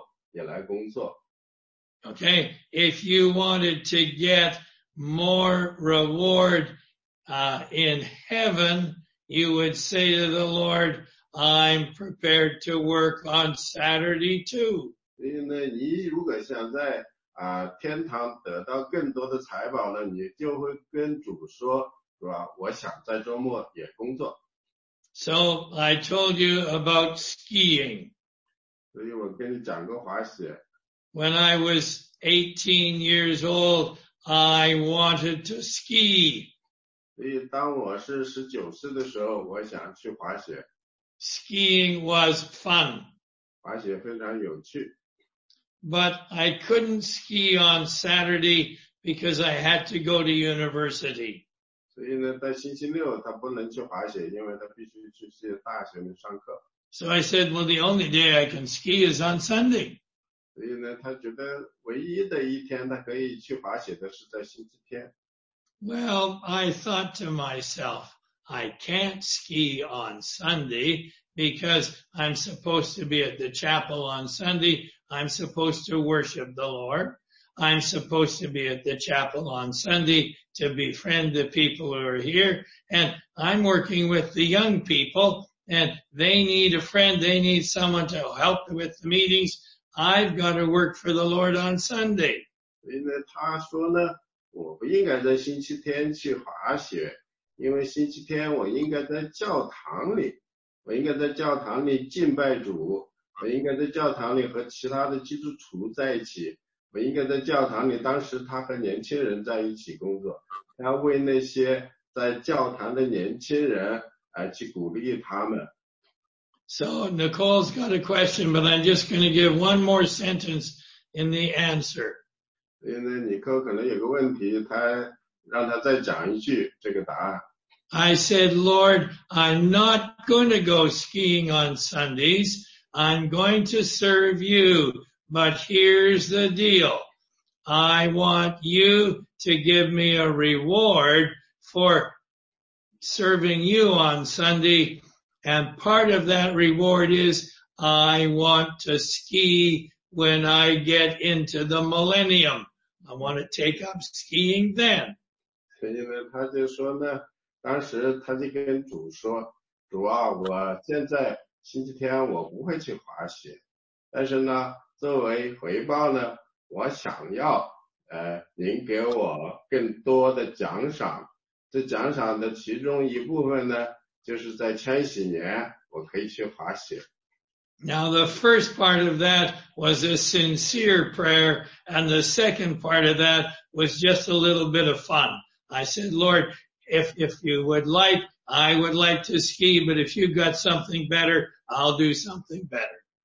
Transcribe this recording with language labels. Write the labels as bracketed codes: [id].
[zh] 那个当时的那工资是非常高的，但是呢，如果他想要得到更多的钱呢，他就会自愿的说，我会在周末也来工作。Okay, [en] if you wanted to get more reward in heaven, you would say to the Lord, I'm prepared to work on Saturday too. [zh] 所以呢，你如果想在天堂得到更多的财宝呢，你就会跟主说，我想在周末也工作。 [en] So I told you about skiing. [zh] 所以我跟你讲过滑雪。 [en] When I was 18 years old, I wanted to ski. [zh] 所以当我是19岁的时候，我想去滑雪。 [en] Skiing was fun. [zh] 滑雪非常有趣。 [en] But I couldn't ski on Saturday because I had to go to university. [zh] 所以呢，在星期六他不能去滑雪，因为他必须去大学里上课。 [en] So I said, well, the only day I can ski is on Sunday. [zh] 所以呢，他觉得唯一的一天他可以去滑雪的是在星期天。 [en] Well, I thought to myself, I can't ski on Sunday because I'm supposed to be at the chapel on Sunday. I'm supposed to worship the Lord. I'm supposed to be at the chapel on Sunday to befriend the people who are here. And I'm working with the young people and they need a friend. They need someone to help with the meetings. I've got to work for the Lord on Sunday. [zh] 因为他说呢，我不应该在星期天去滑雪，因为星期天我应该在教堂里，我应该在教堂里敬拜主，我应该在教堂里和其他的基督徒在一起，我应该在教堂里，当时他和年轻人在一起工作，他为那些在教堂的年轻人而去鼓励他们。 [en] So Nicole's got a question, but I'm just going to give one more sentence in the answer. [zh] 所以呢，尼克可能有个问题，他让他再讲一句这个答案。 [en] I said, Lord, I'm not going to go skiing on Sundays. I'm going to serve you. But here's the deal. I want you to give me a reward for serving you on Sunday. And part of that reward is I want to ski when I get into the millennium. I want to take up skiing then. [zh] 所以呢，他就说呢，当时他就跟主说，主啊，我现在星期天我不会去滑雪，但是呢，作为回报呢，我想要您给我更多的奖赏。这奖赏的其中一部分呢，就是在千禧年我可以去滑雪。 [en] Now the first part of that was a sincere prayer, and the second part of that was just a little bit of fun. I said, Lord, if you would like, I would like to ski, but if you've got something better, I'll do something better.